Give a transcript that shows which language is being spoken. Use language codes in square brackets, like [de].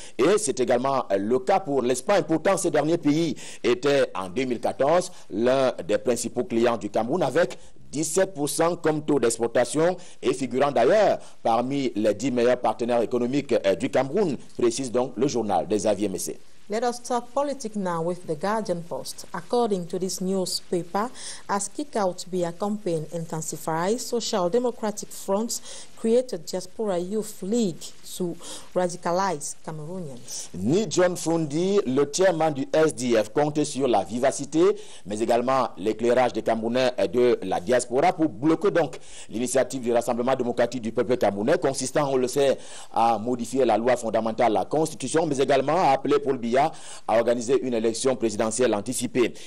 [fr] Et c'est également le cas pour l'Espagne. Pourtant, ce dernier pays était en 2014 l'un des principaux clients du Cameroun avec 17% comme taux d'exportation et figurant d'ailleurs parmi les 10 meilleurs partenaires économiques du Cameroun, précise donc le journal des Xavier Messé. [en] Let us talk politics now with the Guardian Post. According to this newspaper, as kick-out via campaign intensifies, Social Democratic Front's created Diaspora Youth League to radicalize Cameroonians. [fr] Ni John Fundi, le chairman du SDF, comptait sur la vivacité, mais également l'éclairage des Camerounais et de la diaspora pour bloquer donc l'initiative du Rassemblement démocratique du peuple camerounais, consistant, on le sait, à modifier la loi fondamentale, la Constitution, mais également à appeler Paul Biya à organiser une élection présidentielle anticipée.